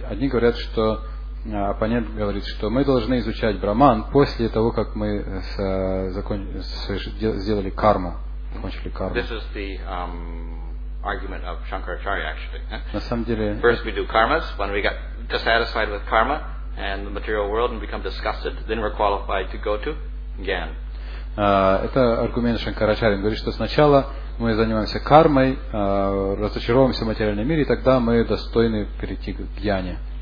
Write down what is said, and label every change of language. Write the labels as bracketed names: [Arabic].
[Russian] Одни говорят, что оппонент говорит, что мы должны изучать брахман после того, как мы сделали карму, закончили карму. [English] This is the argument of Shankaracharya actually. [Russian] На самом деле. [English] First we do karmas, when we got dissatisfied with karma and the material world and become disgusted, then we're qualified to go to Gyan. [Russian] Это аргумент Шанкарачарьи. Он говорит, что сначала мы занимаемся кармой, разочаровываемся в материальном мире, и тогда мы достойны перейти к Гьяне.